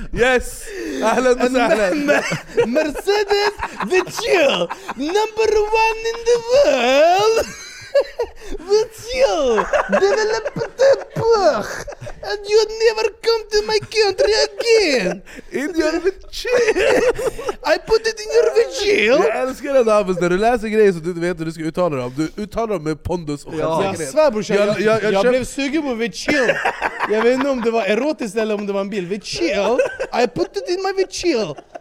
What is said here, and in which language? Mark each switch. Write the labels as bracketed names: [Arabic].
[English] Yes. [Arabic] Ahlan wa sahlan. [English] Mercedes vehicle, number one in the world. Vehicle, developed a book, and you never come to my country again. In your vehicle. I put it in your vehicle. [Swedish] Jag älskar den här, när du läser grejer så du inte vet hur du ska uttala dem. Du uttalar dem med pondus och självsäkerhet. Jag svär, brorsan, jag blev sugen på vehicle. Jag vet inte om det var erotiskt eller om det var en bil. [English] Vehicle, I put it in my vehicle.